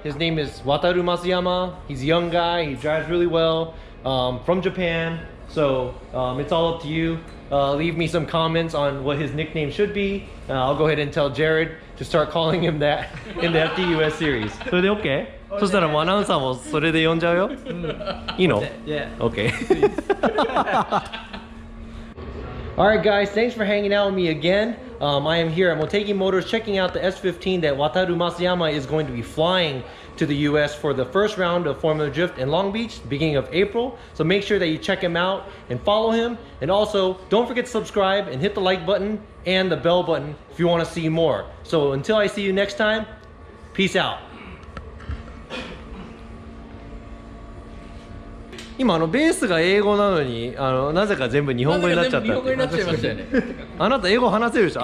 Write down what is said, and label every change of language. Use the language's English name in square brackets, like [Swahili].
[English] His name is Wataru Masuyama. He's a young guy. He drives really well. From Japan, so it's all up to you. Leave me some comments on what his nickname should be. I'll go ahead and tell Jared to start calling him that in the FDUS series. [Japanese] それで OK? そしたらマナウンさんもそれで呼んじゃうよ? いいの? [English] Yeah. OK. Alright guys, thanks for hanging out with me again. I am here at Motegi Motors checking out the S15 that Wataru Masuyama is going to be flying to the US for the first round of Formula Drift in Long Beach, beginning of April. So make sure that you check him out and follow him. And also, don't forget to subscribe and hit the like button and the bell button if you want to see more. So until I see you next time, peace out. [Japanese] 今あのベースが英語なのにあのなぜか全部日本語になっちゃったっ。日本語になっちゃいましたよね。あなた英語話せるでしょ。